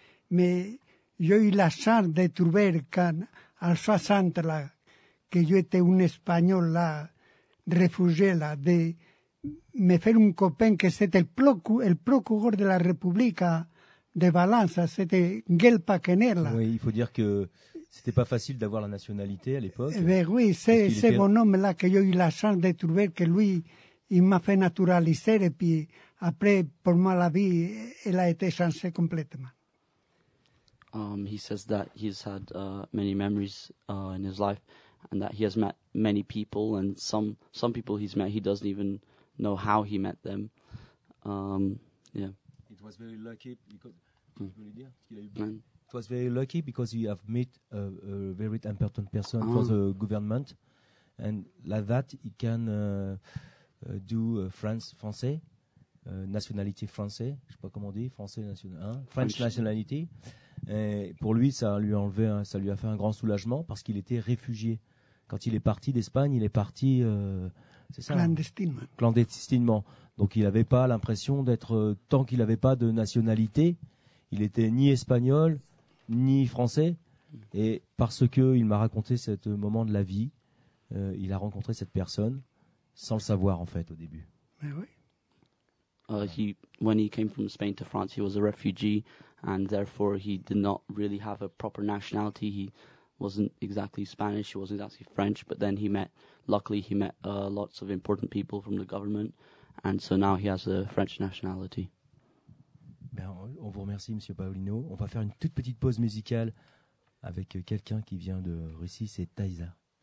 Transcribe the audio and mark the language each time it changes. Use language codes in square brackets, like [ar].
[fr] Mais j'ai eu la chance de trouver quand, en 60, là, que j'étais un Espagnol là, réfugié là, de me faire un copain que c'était le procureur de la République de Valence, c'était Miguel Paquenella. Oui, il faut dire que ce n'était pas facile d'avoir la nationalité à l'époque. Eh bien, oui, c'est ce bonhomme-là que j'ai eu la chance de trouver, que lui, il m'a fait naturaliser, et puis après, pour moi, la vie, elle a été changée complètement. [en] He says that he's had many memories in his life, and that he has met many people, and some people he's met, he doesn't even know how he met them. It was very lucky because it was very lucky because he have met a very important person for the government, and like that he can do [fr] français, nationalité français, je sais pas comment on dit, français national, hein? [en] French nationality. [fr] Et pour lui, ça lui a enlevé, ça lui a fait un grand soulagement parce qu'il était réfugié. Quand il est parti d'Espagne, il est parti c'est ça, clandestinement. Donc il n'avait pas l'impression d'être, tant qu'il n'avait pas de nationalité, il était ni espagnol, ni français. Et parce qu'il m'a raconté ce moment de la vie, il a rencontré cette personne sans le savoir en fait au début. Mais oui. [en] When he came from Spain to France, he was a refugee and therefore he did not really have a proper nationality. He wasn't exactly Spanish, he wasn't exactly French, but then luckily he met lots of important people from the government, and so now he has a French nationality. [fr] Ben, on vous remercie, Monsieur Paolino. On va faire une toute petite pause musicale avec quelqu'un qui vient de Russie, c'est Taïsa.